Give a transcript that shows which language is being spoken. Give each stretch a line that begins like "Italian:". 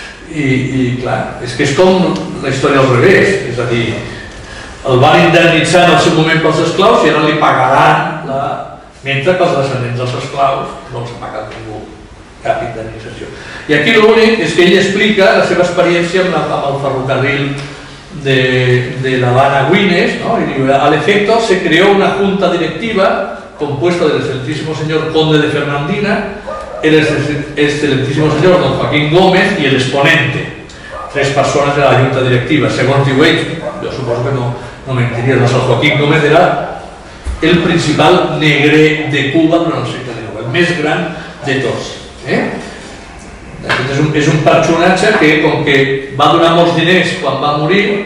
Catalan: I clar, és que és com la història al revés, és a dir, el van indemnitzar en el seu moment pels esclaus i ara li pagaran mentre que els descendents dels esclaus no els ha pagat ningú cap indemnització. I aquí l'únic és que ell explica la seva experiència amb el ferrocarril de l'Havana Guinness, no?
Spanish: I diu, a l'efecto se creó una junta directiva compuesta del excelentísimo señor Conde de Fernandina, el excelentísimo señor Don Joaquín Gómez y el exponente, tres personas de la junta directiva.
Catalan: Segons diu ell, jo suposo que no mentiria, però el Joaquín Gómez era el principal negre de Cuba durant el segle XIX, el més gran de tots. És un personatge que, com que va donar molts diners quan va morir,